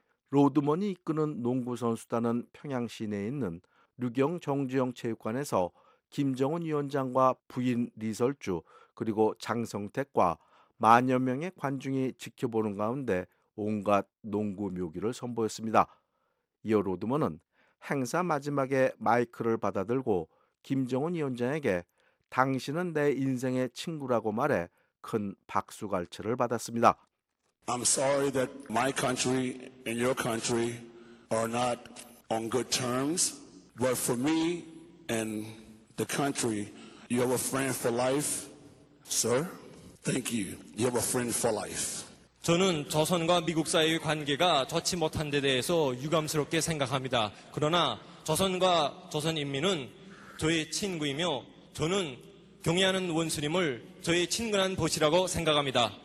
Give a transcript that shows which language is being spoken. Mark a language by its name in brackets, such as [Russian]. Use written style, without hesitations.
[Korean] 로드먼이 이끄는 농구 선수단은 평양 시내에 있는 류경 정주영 체육관에서 김정은 위원장과 부인 리설주 그리고 장성택과 만여 명의 관중이 지켜보는 가운데 온갖 농구 묘기를 선보였습니다. 이어 로드먼은 행사 마지막에 마이크를 받아들고 김정은 위원장에게 당신은 내 인생의 친구라고 말해 큰 박수갈채를 받았습니다. [English] I'm sorry that my country and your country are not on good terms, but for me and the country, you have a friend for life, sir. Thank you. You have a friend for life. [Korean] 저는 조선과 미국 사이의 관계가 좋지 못한 데 대해서 유감스럽게 생각합니다. 그러나 조선과 조선 인민은 저의 친구이며 저는 경외하는 원수님을 저의 친근한 보시라고 생각합니다.